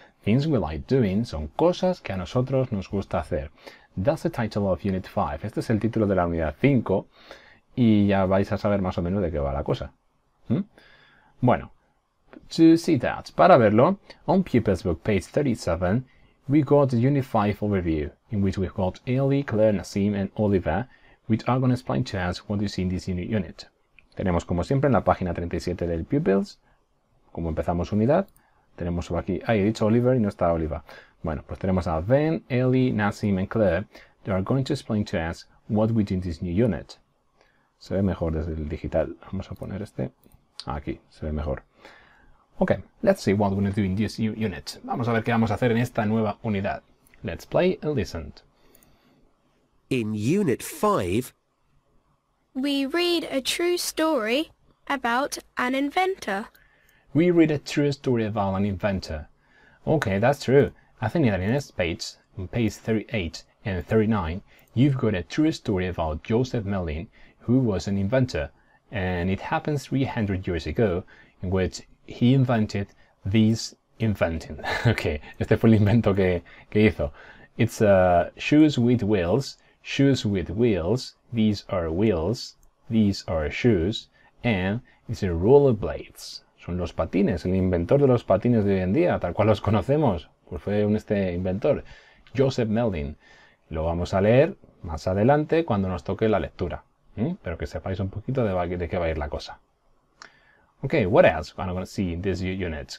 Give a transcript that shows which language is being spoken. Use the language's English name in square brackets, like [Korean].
[English] Things We Like Doing [Spanish] son cosas que a nosotros nos gusta hacer. [English] That's the title of Unit 5. [Spanish] Este es el título de la unidad 5 y ya vais a saber más o menos de qué va la cosa. Bueno. [English] To see that, [Spanish] para verlo, [English] on Pupil's Book page 37, we got a Unit 5 overview, in which we've got Ellie, Claire, Nassim and Oliver, which are going to explain to us what you see in this new unit. [Spanish] Tenemos, como siempre, en la página 37 del Pupil's, como empezamos unidad, tenemos aquí, he dicho Oliver y no está Oliver. Bueno, pues tenemos a [English] Ben, Ellie, Nassim and Claire, they are going to explain to us what we do in this new unit. [Spanish] Se ve mejor desde el digital. Vamos a poner este aquí, se ve mejor. [English] Ok, let's see what we're going to do in this new unit. [Spanish] Vamos a ver qué vamos a hacer en esta nueva unidad. [English] Let's play and listen. In Unit 5, we read a true story about an inventor. We read a true story about an inventor. Ok, that's true. I think that in this page, on page 38 and 39, you've got a true story about Joseph Merlin, who was an inventor. And it happened 300 years ago, in which he invented this inventing. [Spanish] Okay, este fue el invento que hizo. [English] It's shoes with wheels. Shoes with wheels. These are wheels. These are shoes. And it's a rollerblades. [Spanish] Son los patines. El inventor de los patines de hoy en día, tal cual los conocemos. Pues fue este inventor. Joseph Merlin. Lo vamos a leer más adelante cuando nos toque la lectura. Pero que sepáis un poquito de qué va a ir la cosa. [English] Okay, what else are we going to see in this unit?